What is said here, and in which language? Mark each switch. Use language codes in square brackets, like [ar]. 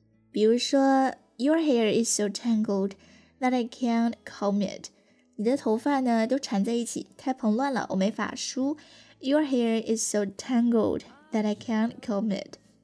[zh] 比如说 [en] ,your hair is so tangled,That I can't comb it. [zh] 你的头发呢都缠在一起，太蓬乱了，我没法梳。 [en] Your hair is so tangled that I can't comb it.